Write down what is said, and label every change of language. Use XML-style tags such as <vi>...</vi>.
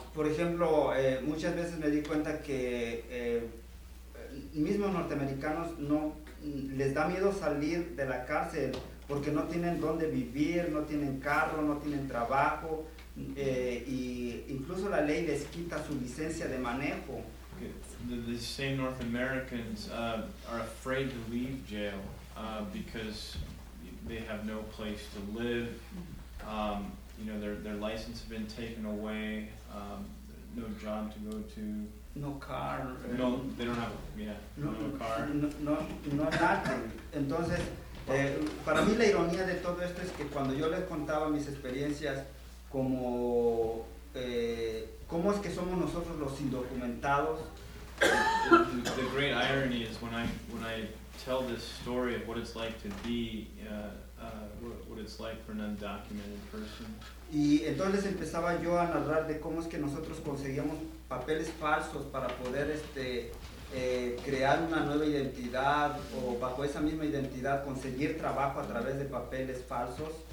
<es>Por ejemplo, muchas veces me di cuenta que mismos norteamericanos no les da miedo salir de la cárcel porque no tienen dónde vivir, no tienen carro, no tienen trabajo, y incluso la ley les quita su licencia de manejo.</es> <en>The same North Americans are afraid to leave jail because they have no place to live. You know, their license has been taken away. No job to go to. No car. No, they don't have. Yeah. No car.</en> <es>No nada. Entonces, para mí la ironía de todo esto es que cuando yo les contaba mis experiencias como cómo es que somos nosotros los indocumentados.</es> <en>The great irony is when I tell this story of what it's like to be what it's like for an undocumented person.</en> <es>Y entonces empezaba yo a narrar de cómo es que nosotros conseguíamos papeles falsos para poder crear una nueva identidad o bajo esa misma identidad conseguir trabajo a través de papeles falsos.</es>